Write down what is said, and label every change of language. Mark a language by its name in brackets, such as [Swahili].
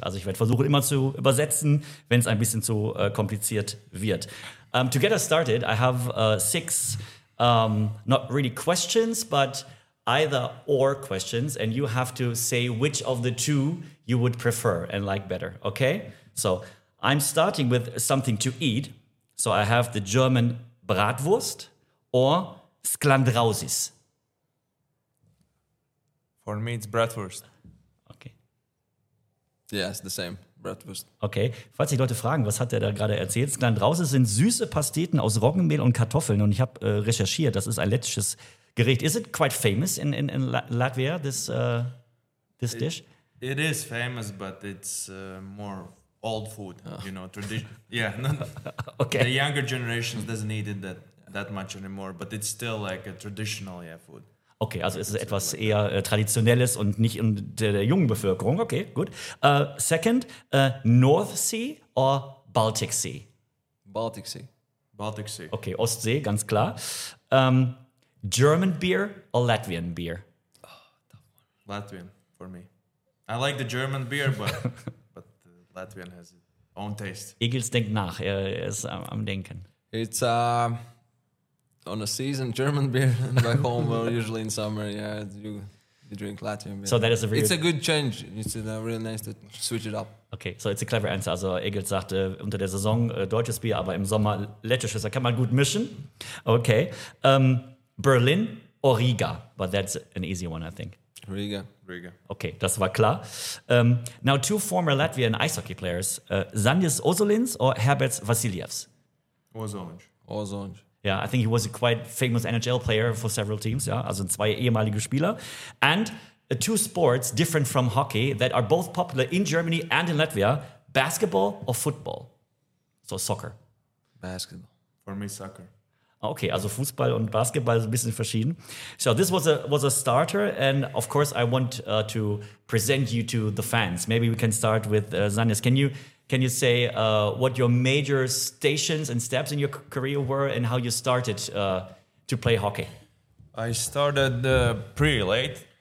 [German] Also ich werde versuchen immer zu übersetzen, wenn es ein bisschen zu kompliziert wird. [English] To get us started, I have six not really questions, but either or questions, and you have to say which of the two you would prefer and like better, okay? So I'm starting with something to eat. So I have the German Bratwurst or Sklandrausis. For me, it's Bratwurst. Okay. Yeah, it's the same, Bratwurst. [German] Okay, falls sich Leute fragen, was hat er da gerade erzählt? Sklandrausis sind süße Pasteten aus Roggenmehl und Kartoffeln. Und ich habe recherchiert, das ist ein lettisches Gericht. [English] Is it quite famous in Latvia, this dish? It is famous, but it's more old food, You know, tradition. Yeah. Okay. The younger generations doesn't eat it that much anymore, but it's still like a traditional food. [German] Okay, also es ist etwas like eher traditionelles und nicht in der jungen Bevölkerung. [English] Okay, gut. Second, North Sea or Baltic Sea? Baltic Sea. Baltic Sea. Okay, [German] Ostsee, ganz klar. [English] German beer or Latvian beer? Latvian for me. I like the German beer, but the Latvian has its own taste. [German] Egils denkt nach. Er ist am Denken. [English] It's on a season German beer back home. Well, usually in summer, you drink Latvian beer. So that is a it's a good change. It's really nice to switch it up. Okay, so it's a clever answer. [German] Also Egils sagt unter der Saison deutsches Bier, aber im Sommer lettisches. Da kann man gut mischen. Okay. [English] Berlin or Riga? But that's an easy one, I think. Riga. Okay, [German] das war klar. [English] Now, two former Latvian ice hockey players, Zandis Ozolins or Herberts Vasiljevs? Ozolins. Yeah, I think he was a quite famous NHL player for several teams. Yeah, [German] also zwei ehemalige Spieler. [English] And two sports different from hockey that are both popular in Germany and in Latvia, basketball or football? So soccer. Basketball. For me, soccer. [German] Okay, also Fußball und Basketball ist ein bisschen verschieden. [English] So this was a starter, and of course I want to present you to the fans. Maybe we can start with Zanis. Can you say what your major stations and steps in your career were, and how you started to play hockey? I started pretty late.